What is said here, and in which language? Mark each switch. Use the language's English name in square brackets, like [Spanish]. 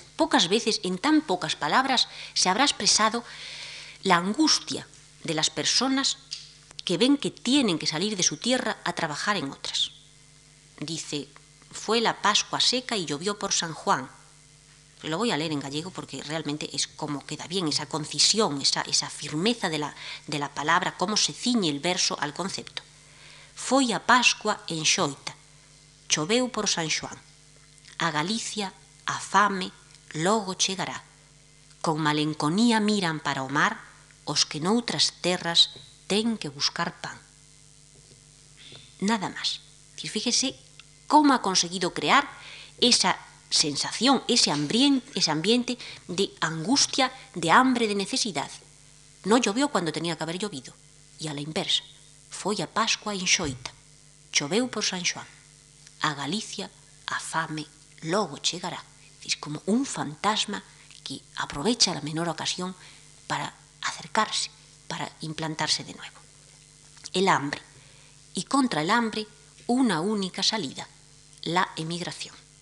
[Spanish] Pocas veces, en tan pocas palabras, se habrá expresado la angustia de las personas que ven que tienen que salir de su tierra a trabajar en otras. Dice, fue la Pascua seca y llovió por San Juan. Lo voy a leer en gallego porque realmente es como queda bien esa concisión, esa firmeza de la palabra, cómo se ciñe el verso al concepto. [Galician] Foi a Pascua en Xoita, choveu por San Xoán. A Galicia, a fame, logo chegará. Con malenconía miran para o mar os que noutras terras ten que buscar pan. Nada más. [Spanish] Fíjese cómo ha conseguido crear esa sensación, ese ambiente de angustia, de hambre, de necesidad. No llovió cuando tenía que haber llovido, y a la inversa. [Galician] Foi a Pascua en Xoita, choveu por San Xoán. A Galicia, a fame, logo chegará. [Spanish] Es como un fantasma que aprovecha la menor ocasión para acercarse, para implantarse de nuevo. El hambre. Y contra el hambre, una única salida, la emigración.